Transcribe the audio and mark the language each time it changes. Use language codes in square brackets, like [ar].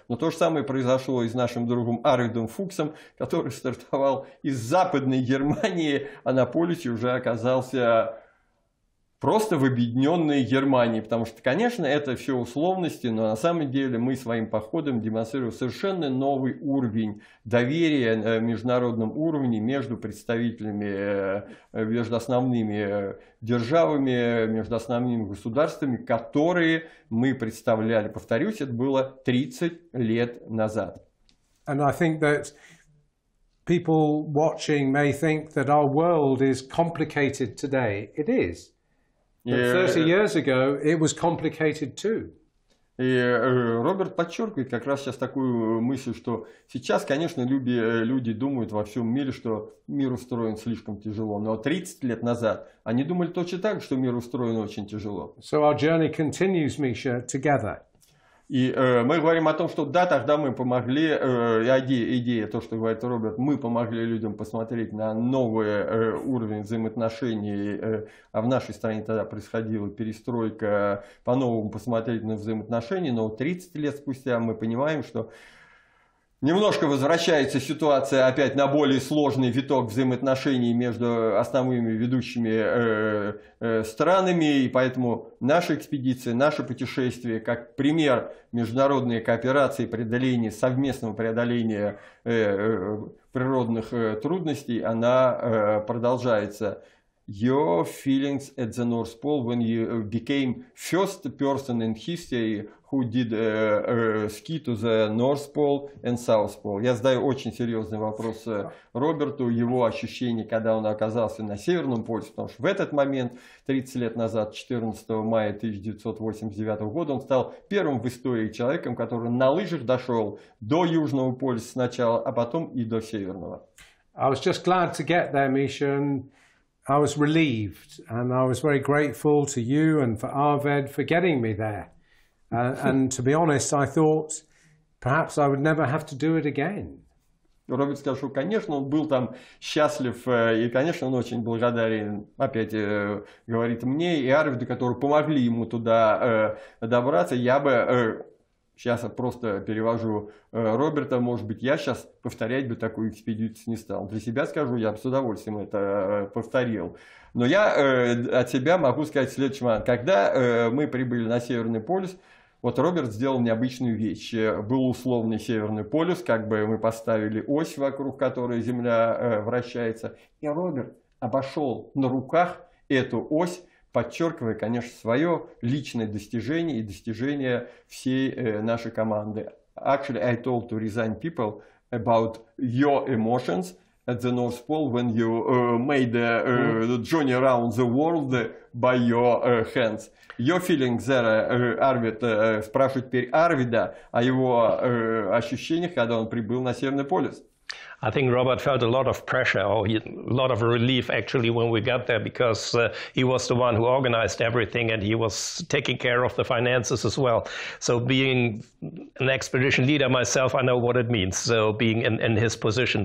[ru] Но то же самое произошло и с нашим другом Арвидом Фуксом, который стартовал из Западной Германии, а на полюсе уже оказался просто в объединенной Германии, потому что, конечно, это все условности, но на самом деле мы своим походом демонстрируем совершенно новый уровень доверия на международном уровне между представителями, между основными державами, между основными государствами, которые мы представляли. Повторюсь, это было 30 лет назад. [en] And I think that people watching may think that our world is complicated today. It is. But 30 years ago, it was complicated too. [ru] И Роберт подчеркивает как раз сейчас такую мысль, что сейчас, конечно, люди думают во всем мире, что мир устроен слишком тяжело. Но 30 лет назад они думали точно так, что мир устроен очень тяжело. [en] So our journey continues, Misha, together. [ru] И мы говорим о том, что да, тогда мы помогли, идея, то, что говорит Роберт, мы помогли людям посмотреть на новый уровень взаимоотношений, а в нашей стране тогда происходила перестройка, по-новому посмотреть на взаимоотношения, но 30 лет спустя мы понимаем, что немножко возвращается ситуация опять на более сложный виток взаимоотношений между основными ведущими странами, и поэтому наша экспедиция, наше путешествие, как пример международной кооперации, преодоления, совместного преодоления природных трудностей, она продолжается. [en] Your feelings at the North Pole when you became first person in history who did ski to the North Pole and South Pole. [ru] Я задаю очень серьезный вопрос Роберту, его ощущения, когда он оказался на Северном полюсе, потому что в этот момент, 30 лет назад, 14 мая 1989 года, он стал первым в истории человеком, который на лыжах дошел до Южного полюса сначала, а потом и до Северного. [en] I was just glad to get there, Misha, and I was relieved, and I was very grateful to you and for Arved for getting me there. And to be honest, I thought perhaps I would never have to do it again. [ru] Роберт сказал, что, конечно, он был там счастлив, и, конечно, он очень благодарен, опять говорит мне, и Арведу, которые помогли ему туда добраться, я бы, сейчас я просто перевожу Роберта, может быть, я сейчас повторять бы такую экспедицию не стал. Для себя скажу, я бы с удовольствием это повторил. Но я от себя могу сказать следующий момент. Когда мы прибыли на Северный полюс, вот Роберт сделал необычную вещь. Был условный Северный полюс, как бы мы поставили ось, вокруг которой Земля вращается. И Роберт обошел на руках эту ось, подчеркивая, конечно, свое личное достижение и достижение всей нашей команды. [en] Actually, I told to resign people about your emotions at the North Pole when you made the journey around the world by your hands. Your feelings there, [ru] Арвид, спрашивает теперь Арвида о его ощущениях, когда он прибыл на Северный полюс. [en] I think Robert felt a lot of pressure, or a lot of relief actually when we got there, because he was the one who organized everything and he was taking care of the finances as well. So being an expedition leader myself, I know what it means, so being in his position.